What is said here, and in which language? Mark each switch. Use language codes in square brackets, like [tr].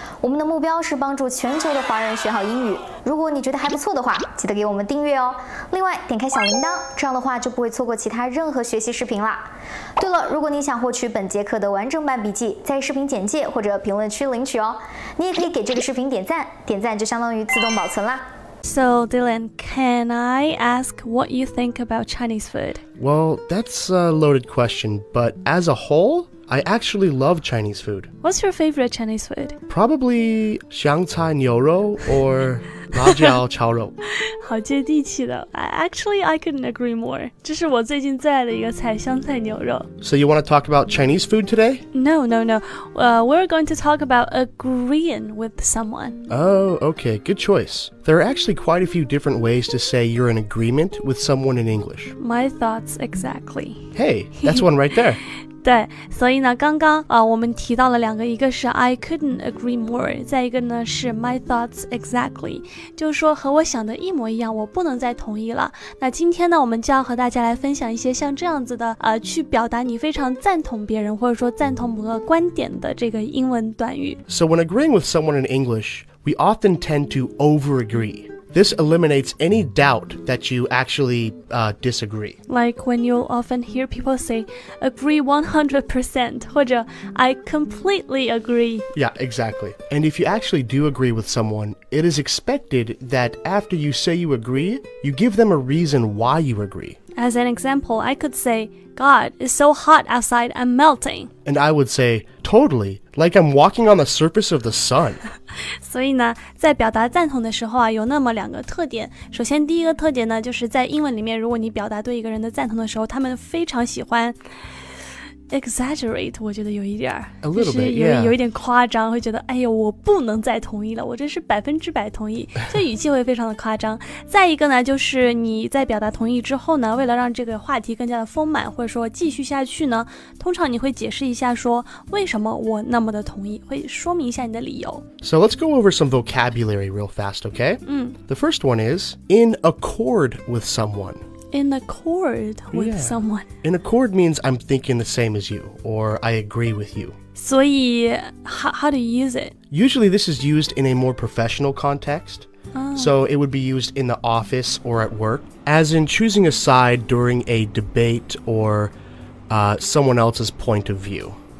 [zh] 我们的目标是帮助全球的华人学好英语。如果你觉得还不错的话，记得给我们订阅哦。另外，点开小铃铛，这样的话就不会错过其他任何学习视频啦。对了，如果你想获取本节课的完整版笔记，在视频简介或者评论区领取哦。你也可以给这个视频点赞，点赞就相当于自动保存啦。 [en] So, Dylan, can I ask what you think about Chinese food? Well, that's a loaded question, but as a whole, I actually love Chinese food. What's your favorite Chinese food? Probably 香菜牛肉 or 辣椒炒肉。 [zh] 好接地气的。 [en] Actually, I couldn't agree more. [zh] 这是我最近最爱的一个菜，香菜牛肉。 [en] So you want to talk about Chinese food today? No. We're going to talk about agreeing with someone. Oh, okay. Good choice. There are actually quite a few different ways to say you're in agreement with someone in English. My thoughts exactly. Hey, that's one right there. [zh] 对，所以呢，刚刚啊、我们提到了两个，一个是 [en] I couldn't agree more， [zh] 再一个呢是 [en] my thoughts exactly， [zh] 就是说和我想的一模一样，我不能再同意了。那今天呢，我们就要和大家来分享一些像这样子的去表达你非常赞同别人或者说赞同某个观点的这个英文短语。 [en] So when agreeing with someone in English, we often tend to overagree. This eliminates any doubt that you actually disagree. Like when you'll often hear people say, agree 100%, [zh] 或者 [en] I completely agree. Yeah, exactly. And if you actually do agree with someone, it is expected that after you say you agree, you give them a reason why you agree. As an example, I could say, God, it's so hot outside, I'm melting. And I would say, totally, like I'm walking on the surface of the sun. [zh] 所以呢，在表达赞同的时候啊，有那么两个特点。首先，第一个特点呢，就是在英文里面，如果你表达对一个人的赞同的时候，他们非常喜欢 exaggerate， 我觉得有一点 [en] a little bit, [zh] 就是 有一点夸张，会觉得哎呦，我不能再同意了，我真是百分之百同意，所以语气会非常的夸张。再一个呢，就是你在表达同意之后呢，为了让这个话题更加的丰满，或者说继续下去呢，通常你会解释一下说为什么我那么的同意，会说明一下你的理由。 [en] So let's go over some vocabulary real fast, okay?、The first one is in accord with someone. In accord with、 yeah. someone. In accord means I'm thinking the same as you, or I agree with you. So, how do you use it? Usually this is used in a more professional context.、So it would be used in the office or at work, as in choosing a side during a debate or、someone else's point of view.